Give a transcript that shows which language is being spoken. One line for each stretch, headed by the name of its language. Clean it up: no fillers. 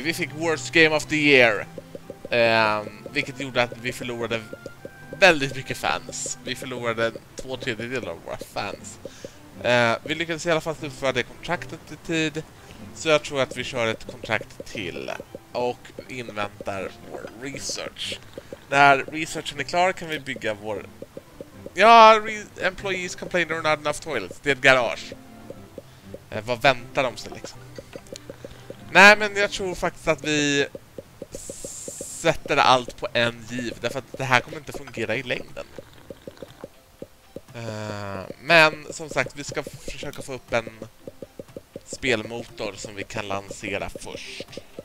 Swedish: Vi fick
English: worst game of the year!
Swedish: Vilket gjorde att vi förlorade väldigt mycket fans. Vi förlorade 2/3 av våra fans. Vi lyckades i alla fall slutföra det kontraktet i tid. Så jag tror att vi kör ett kontrakt till och inväntar vår research. När researchen är klar kan vi bygga vår...
English: Ja, employees complain they're not enough toilets.
Swedish: Det är ett garage. Vad väntar de sig liksom? Nej, men jag tror faktiskt att vi sätter allt på en giv, därför att det här kommer inte fungera i längden. Men som sagt, vi ska försöka få upp en spelmotor som vi kan lansera först.